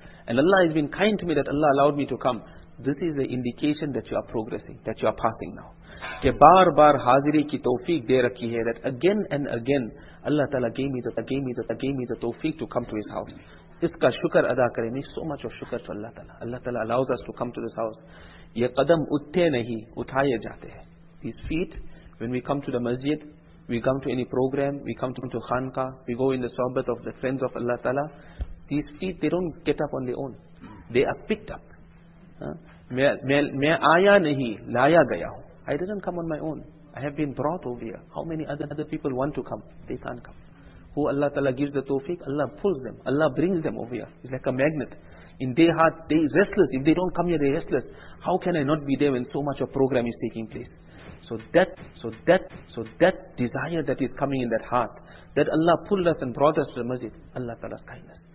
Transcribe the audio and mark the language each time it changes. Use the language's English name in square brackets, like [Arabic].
[English] And Allah has been kind to me that Allah allowed me to come. This is the indication that you are progressing, that you are passing now. [Urdu] کہ بار بار حاضری کی توفیق دے رکھی ہے, [English] that again and again Allah Ta'ala gave me the توفیق to come to His house. [Urdu] اس کا شکر ادا کریں, [English] so much of شکر to Allah Ta'ala. Allah Ta'ala allows us to come to this house. [Urdu] یہ قدم اٹھتے نہیں, اٹھائے جاتے ہیں. [English] These feet, when we come to the masjid, we come to any program, we come to khanqah, we go in the sohbet of the friends of Allah Ta'ala, these feet, they don't get up on their own, they are picked up. [Urdu] میں آیا نہیں, لایا گیا ہوں. [English] I didn't come on my own. I have been brought over here. How many other people want to come? They can't come. Who Allah Ta'ala gives the tawfiq, Allah pulls them. Allah brings them over here. It's like a magnet. In their heart, they are restless. If they don't come here, they are restless. How can I not be there when so much of program is taking place? So that desire that is coming in that heart, that Allah pulled us and brought us to the masjid, Allah Ta'ala's kindness.